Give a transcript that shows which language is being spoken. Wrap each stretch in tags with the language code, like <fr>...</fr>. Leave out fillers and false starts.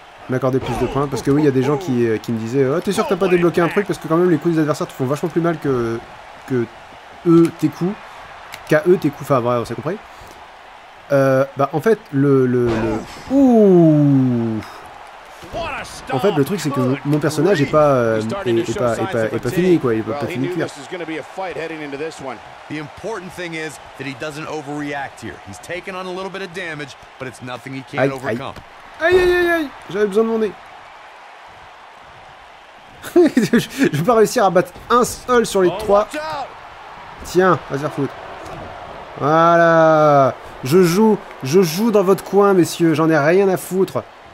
<fr>M'accorder plus de points, parce que oui, il y a des gens qui me disaient oh, t'es sûr que t'as pas débloqué un truc, parce que quand même les coups des adversaires te font vachement plus mal que eux tes coups, qu'à eux tes coups, enfin bref, vous avez compris. Bah en fait, le truc c'est que mon personnage est pas fini clair.</fr> <en>This is gonna be a fight heading into this one. The important thing is that he doesn't overreact here. He's taken on a little bit of damage, but it's nothing he can't overcome.</en> <fr>Aïe, j'avais besoin de mon nez. Je vais pas réussir à battre un seul sur les trois. Tiens, vas-y refoutre. Voilà. Je joue dans votre coin, messieurs, j'en ai rien à foutre.</fr>